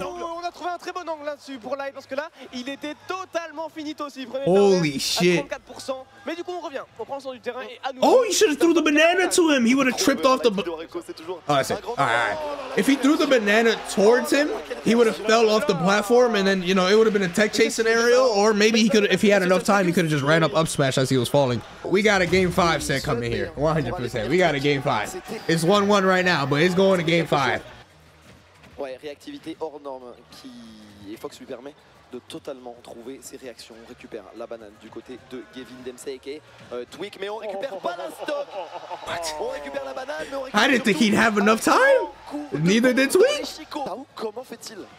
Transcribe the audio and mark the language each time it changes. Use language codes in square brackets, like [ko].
[fr] On a trouvé un très bon angle là-dessus pour Light, parce que là, il était totalement finito aussi. [en] Holy shit. [fr] Mais du coup, on revient. On prend le sens du terrain et à nouveau. [en] Oh, he should have threw the banana to him. He would have tripped off the... Oh, I see. Alright. If he threw the banana towards him, he would have fell off the platform, and then, you know, it would have been a tech chase scenario, or maybe he could, if he had enough time, he could have just ran up smash as he was falling. We got a game 5 set coming here. 100%. We got a game 5. It's 1-1 right now, but it's going to game 5. [fr] Ouais, réactivité hors norme qui... Et Fox lui permet de totalement trouver ses réactions. On récupère la banane du côté de Gavin Dempsey, aka Tweak, mais on récupère pas la stock. [en] What? [fr] On récupère la banane, mais on récupère... [en] I didn't think he'd have enough time. Neither did Tweak. [fr] Comment fait-il?